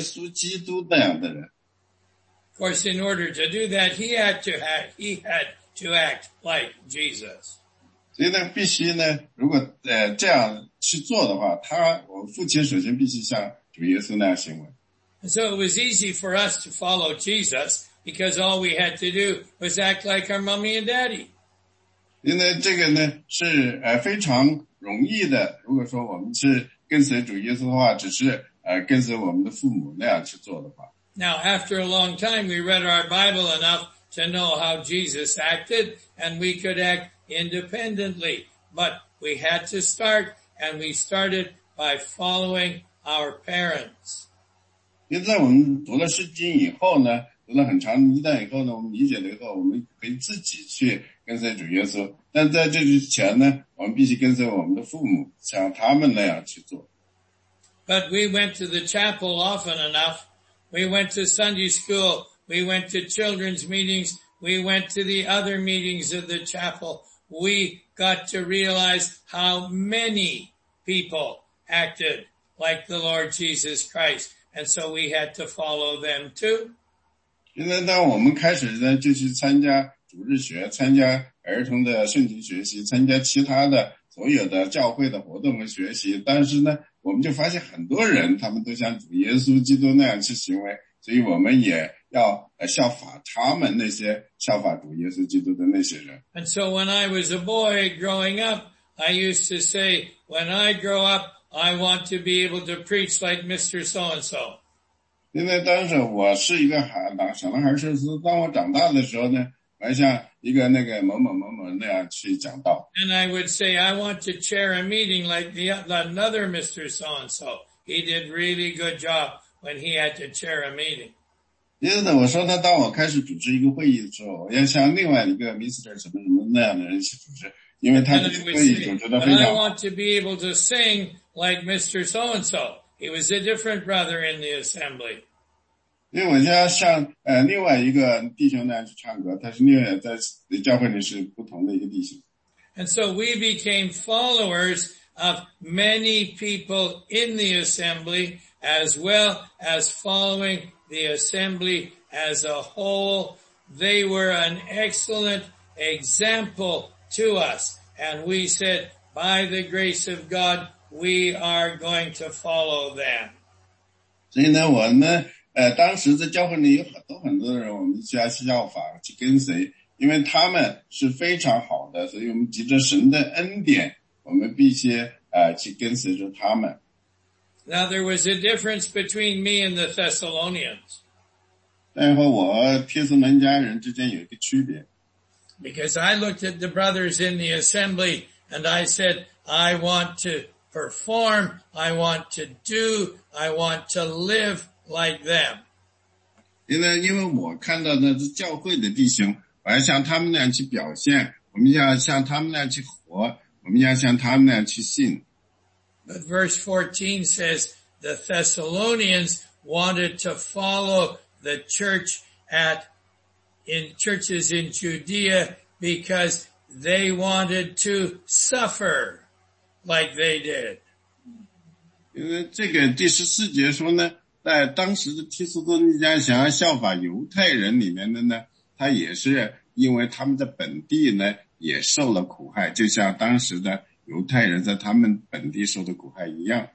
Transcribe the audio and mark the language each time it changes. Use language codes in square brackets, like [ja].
[zh] 所以我父亲说，那如果你像我这样去行为，你就会，我像主耶稣那样行为。你效法我的行为呢，就是效法主耶稣的行为。最后，你就会成为那主耶稣基督那样的人。 [en] Of course, in order to do that, he had to act like Jesus. [zh] 所以呢，必须呢，如果这样去做的话，他我父亲首先必须像。主耶稣那样行为。 [en] And so it was easy for us to follow Jesus because all we had to do was act like our mommy and daddy. [zh] 因为这个呢是非常容易的。如果说我们是跟随主耶稣的话，只是跟随我们的父母那样去做的话。 [en] Now, after a long time, we read our Bible enough to know how Jesus acted, and we could act independently. But we had to start, and we started by following our parents. [zh] 因为我们读了圣经以后呢，读了很长一段以后呢，我们理解了以后，我们可以自己去跟随主耶稣。但在这之前呢，我们必须跟随我们的父母，像他们那样去做。 [en] But we went to the chapel often enough. We went to Sunday school. We went to children's meetings. We went to the other meetings of the chapel. We got to realize how many people acted like the Lord Jesus Christ. And so we had to follow them too. [zh] 因为当我们开始呢，就去参加主日学，参加儿童的圣经学习，参加其他的所有的教会的活动和学习，但是呢，我们就发现很多人他们都像主耶稣基督那样去行为，所以我们也要效法他们，那些效法主耶稣基督的那些人。 [en] And so when I was a boy growing up, I used to say, when I grow up, I want to be able to preach like Mr. So-and-so. [zh] 因为当时我是一个小男孩说是，当我长大的时候呢，我还像一个那个某某某某那样去讲道。 [en] And I would say, I want to chair a meeting like the another Mr. So-and-so. He did really good job when he had to chair a meeting. [zh] 因为呢，我说呢，当我开始主持一个会议的时候，我要像另外一个 Mr. 什么什么那样的人去主持，因为他的会议主持得非常。 [en] And I want to be able to sing like Mr. So-and-so. He was a different brother in the assembly. [zh] 因为我家像另外一个弟兄那样去唱歌，他是另外在教会里是不同的一个弟兄。 [en] And so we became followers of many people in the assembly, as well as following the assembly as a whole. They were an excellent example to us. And we said, by the grace of God, we are going to follow them. [zh] 所以呢，我们当时在教会里有很多人，我们需要去效法去跟随，因为他们是非常好的，所以我们藉着神的恩典，我们必须去跟随着他们。 [en] Now there was a difference between me and the Thessalonians. [zh] 但和我帖撒罗尼迦人之间有一个区别。 [en] Because I looked at the brothers in the assembly and I said, I want to perform, I want to do, I want to live like them. [zh] 因为我看到的教会的弟兄，我要像他们那样去表现，我们要像他们那样去活，我们要像他们那样去信。 [en] But verse 14 says the Thessalonians wanted to follow the church in churches in Judea because they wanted to suffer like they did. [zh] 因为这个第十四节说呢，在当时的提斯多尼加想要效法犹太人里面的呢，他也是因为他们的本地呢也受了苦害，就像当时的犹太人在他们本地受的苦害一样。